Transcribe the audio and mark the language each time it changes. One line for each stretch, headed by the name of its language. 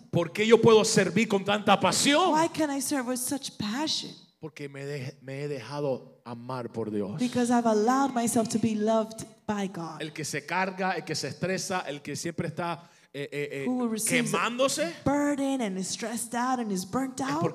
Spanish: ¿Por qué yo puedo servir con tanta pasión?
English: Why can I serve with such passion?
Spanish: Porque me he dejado amar por Dios.
English: Because I've allowed myself to be loved by God.
Spanish: El que se carga, el que se estresa, el que siempre está quemándose.
English: Burden and is stressed out and is burnt out.